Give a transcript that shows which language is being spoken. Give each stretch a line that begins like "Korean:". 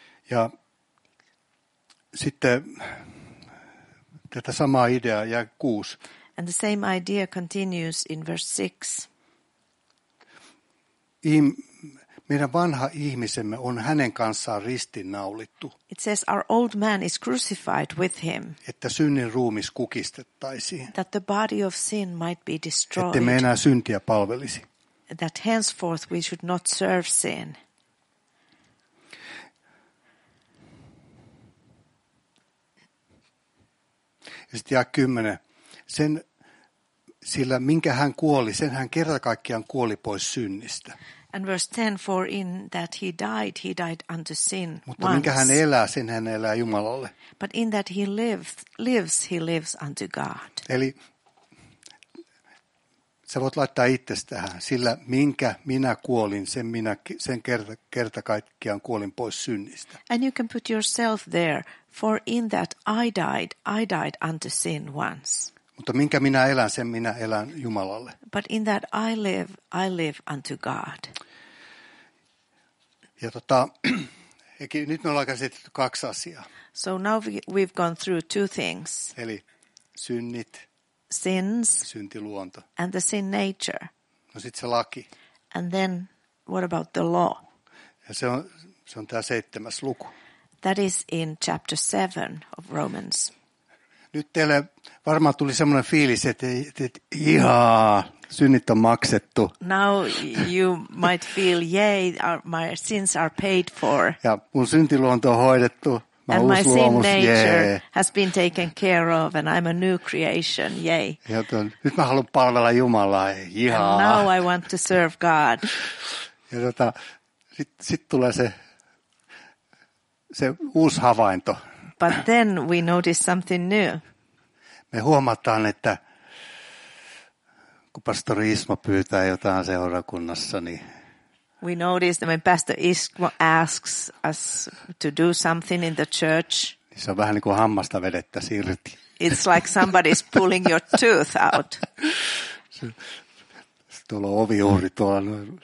Finnish: Ja sitten tätä samaa ideaa jää 6.
English: And the same idea continues in verse 6.
Finnish: Meidän vanha ihmisemme on hänen kanssaan ristinnaulittu.
English: It says our old man is crucified with him.
Finnish: Että synnin ruumis kukistettaisiin.
English: That the body of sin might be destroyed.
Finnish: Että me enää syntiä palvelisi.
English: That henceforth we should not serve sin.
Finnish: Ja sitten jää 10. Sillä minkä hän kuoli, sen hän kerta kaikkiaan kuoli pois synnistä.
English: And verse 10, for in that he died unto sin.
Finnish: Mutta minkä hän elää, sen hän elää Jumalalle.
English: But in that he lives unto God.
Finnish: Eli sä voit laittaa itsesi tähän. Sillä minkä minä kuolin, sen kerta kaikkiaan kuolin pois synnistä.
English: And you can put yourself there. For in that I died unto sin once.
Finnish: Mutta minkä minä elän, sen minä elän Jumalalle.
English: But in that I live unto God.
Finnish: Ja nyt me ollaan käsitelty 2 asiaa.
English: So now we've gone through 2 things.
Finnish: Eli synnit.
English: Sins.
Finnish: Syntiluonto.
English: And the sin nature.
Finnish: No sitten se laki.
English: And then what about the law?
Finnish: Ja se on tämä 7. luku.
English: That is in chapter 7 of Romans.
Finnish: Nyt teille varmaan tuli semmoinen fiilis, että ihaa, synnit on maksettu.
English: Now you might feel, yay, my sins are paid for.
Finnish: Ja mun syntiluonto on hoidettu. Mä
English: and my
Finnish: luomus,
English: sin
Finnish: jee.
English: Nature has been taken care of and I'm a new creation, yay.
Finnish: Ja nyt mä haluan palvella Jumalaa, ihaa.
English: And now I want to serve God.
Finnish: Ja sit tulee se uusi havainto.
English: But then we notice something new.
Finnish: Me huomataan, että kun pastori Ismo pyytää jotain seurakunnassa, niin.
English: We notice that when Pastor Ismo asks us to do something in the church.
Finnish: Se on vähän niin kuin hammasta vedettä irti.
English: It's like somebody's pulling your tooth out.
Finnish: Se tuolla on oviuhri tuolla.